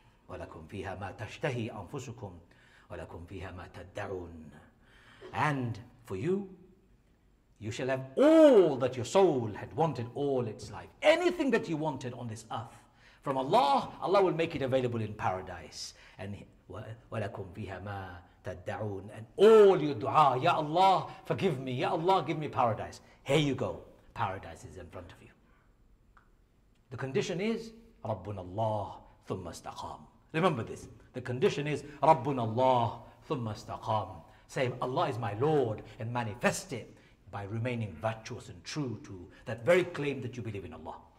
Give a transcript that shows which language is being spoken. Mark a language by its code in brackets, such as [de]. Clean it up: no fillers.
[ar] وَلَكُمْ فِيهَا مَا تَشْتَهِي أَنفُسُكُمْ وَلَكُمْ فِيهَا مَا تَدَّعُونَ. [en] And for you, you shall have all that your soul had wanted all its life. Anything that you wanted on this earth from Allah, Allah will make it available in paradise. [ar] And وَلَكُمْ فِيهَا مَا تَدَّعُونَ. [en] And all your dua, Ya Allah, forgive me. Ya Allah, give me paradise. Here you go. Paradise is in front of you. The condition is [ar] رَبُّنَ اللَّهِ. [en] Remember this. The condition is [ar] Rabbun Allah thumma istaqam. [en] Say, Allah is my Lord, and manifest it by remaining virtuous and true to that very claim that you believe in Allah.